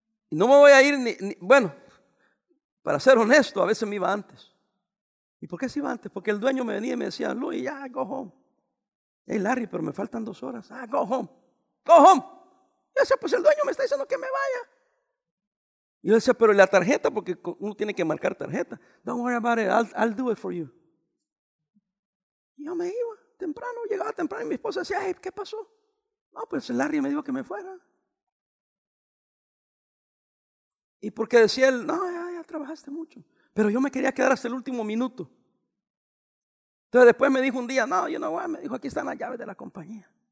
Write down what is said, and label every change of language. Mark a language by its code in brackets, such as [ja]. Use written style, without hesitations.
[es] Y no me voy a ir, ni, para ser honesto, a veces me iba antes. ¿Y por qué se iba antes? Porque el dueño me venía y me decía, Luis, ya, [en] go home. [es] Hey Larry, pero me faltan 2 horas. Ah, [en] go home. [es] Yo decía, pues el dueño me está diciendo que me vaya. Y yo decía, pero la tarjeta, porque uno tiene que marcar tarjeta. [en] Don't worry about it, I'll do it for you. [es] Y yo me iba temprano, llegaba temprano y mi esposa decía, hey, ¿qué pasó? No, pues Larry me dijo que me fuera. Y porque decía él, no, ya trabajaste mucho. Pero yo me quería quedar hasta el último minuto. Entonces después me dijo un día, no, yo no voy. Me dijo, aquí están las llaves de la compañía.